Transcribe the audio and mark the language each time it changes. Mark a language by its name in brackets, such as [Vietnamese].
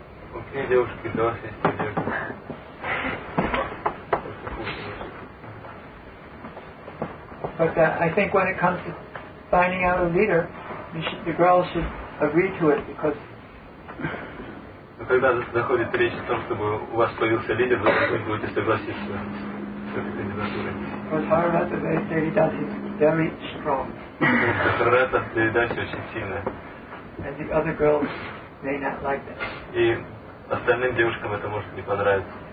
[Russian] Okay, девушки, да, есть надежда. [English] But I think when it comes to finding out a leader, the girls should agree to it because. [Russian] Когда заходит речь о том, чтобы у вас появился лидер, вы должны будете согласиться с этой кандидатурой. [English] Because Harata Devidas is very strong. [Russian] Harata Devidas очень сильная. [English] And the other girls may not like that. [Russian] И остальным девушкам это может не понравиться.